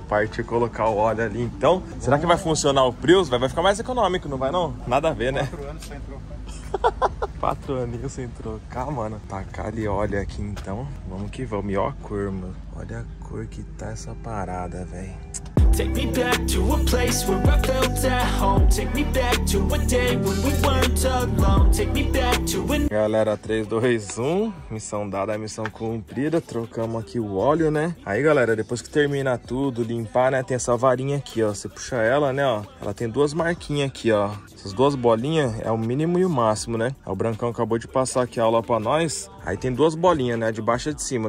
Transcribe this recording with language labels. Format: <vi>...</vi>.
<pt>Parte e colocar o óleo ali, então. Será que vai funcionar o Prius? Vai ficar mais econômico, não vai, não? Nada a ver, né? 4 anos sem trocar. 4 aninhos sem trocar, mano. Tacar ali, olha aqui então. Vamos que vamos. E ó a cor, mano. Olha a cor que tá essa parada, velho.</pt> <en>Take me back to a place where I felt at home. Take me back to a day when we weren't alone. Take me back to a...</en> <pt>Galera, 3, 2, 1. Missão dada, missão cumprida. Trocamos aqui o óleo, né? Aí, galera, depois que termina tudo, limpar, né? Tem essa varinha aqui, ó. Você puxa ela, né, ó. Ela tem duas marquinhas aqui, ó. Essas duas bolinhas é o mínimo e o máximo, né? O Brancão acabou de passar aqui a aula pra nós. Aí tem duas bolinhas, né? De baixo e de cima.</pt>